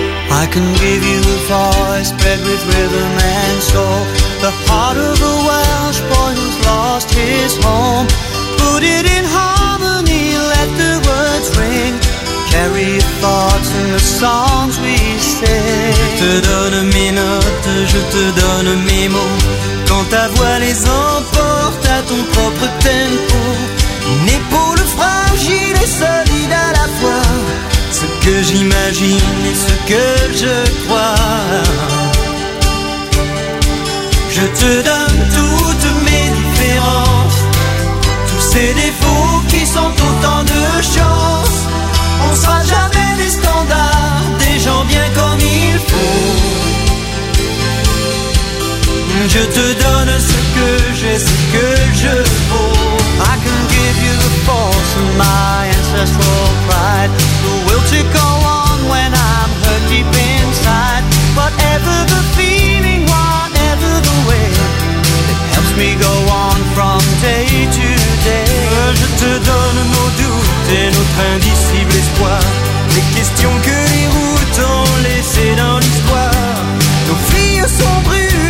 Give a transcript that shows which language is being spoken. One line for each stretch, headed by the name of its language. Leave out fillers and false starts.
English: I can give you a voice bred with rhythm and soul. The heart of a Welsh boy who's lost his home. Put it in harmony, let the words ring. Carry thoughts in the songs we sing.
French: Je te donne mes notes, je te donne mes mots. Quand ta voix les emporte à ton propre tempo. Une épaule fragile et solide à la fois. Ce que j'imagine et ce que je crois. Je te donne toutes mes différences. Tous ces défauts qui sont autant de chances. On sera jamais des standards, des gens bien comme il faut. Je te donne ce que j'ai, ce que je vaux.
English: I can give you the force of my ancestral pride. The will to go on when I'm hurt deep inside. Whatever the feeling, whatever the way, it helps me go on from day to day.
French: Je te donne nos doutes et notre indicible espoir. Les questions que les routes ont laissées dans l'histoire. Nos filles sont brûlées.